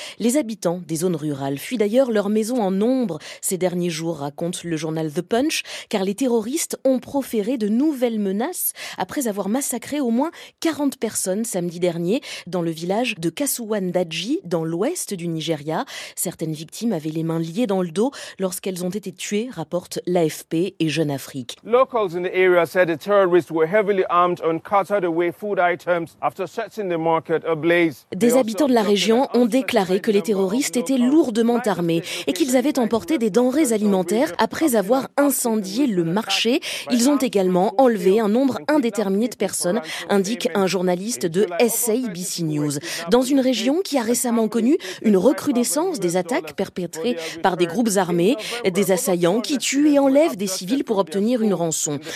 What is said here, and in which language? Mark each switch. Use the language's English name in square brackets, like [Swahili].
[French] Les habitants des zones rurales fuient d'ailleurs leurs maisons en nombre ces derniers jours, raconte le journal The Punch, car les terroristes ont proféré de nouvelles menaces après avoir massacré au moins 40 personnes samedi dernier dans le village de Kasuwandaji, dans l'ouest du Nigeria. Certaines victimes avaient les mains liées dans le dos lorsqu'elles ont été tuées, rapporte l'AFP et des jeunes Afriques. [English] Locals in the area said the terrorists were heavily armed and carted away food items after setting the market ablaze. [French] Des habitants de la région ont déclaré que les terroristes étaient lourdement armés et qu'ils avaient emporté des denrées alimentaires après avoir incendié le marché. Ils ont également enlevé un nombre indéterminé de personnes, indique un journaliste de SABC News. Dans une région qui a récemment connu une recrudescence des attaques perpétrées par des groupes armés, des assaillants qui tuent et enlèvent des civils pour obtenir une rançon.